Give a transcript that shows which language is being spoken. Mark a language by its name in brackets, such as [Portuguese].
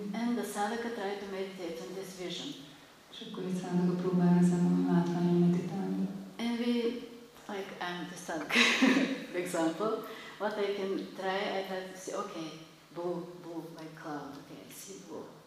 [English] And the sadhaka tried to meditate on this vision. [Hungarian] És akkor egy sadhaka próbálja ezen a látványon meditálni. [English] And we, like, I'm the sadhaka, for example. What I can try, I have to see, okay, boo, like cloud, okay, I see boo.